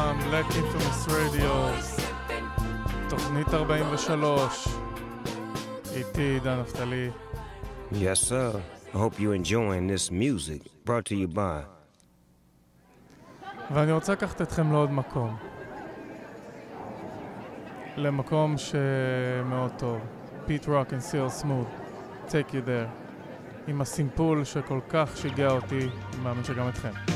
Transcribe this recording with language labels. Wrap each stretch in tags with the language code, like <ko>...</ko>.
<he>Black Infamous Radio, תוכנית 43, איתי עידן נפתלי.</he> <en>Yes sir, I hope you enjoying this music brought to you by.</en> <he>ואני רוצה לקחת אתכם לעוד מקום, למקום שמאוד טוב, Pit Rock and Seal Smooth, Take You There, עם הסימפול שכל כך שיגע אותי, מאמין שגם אתכם.</he>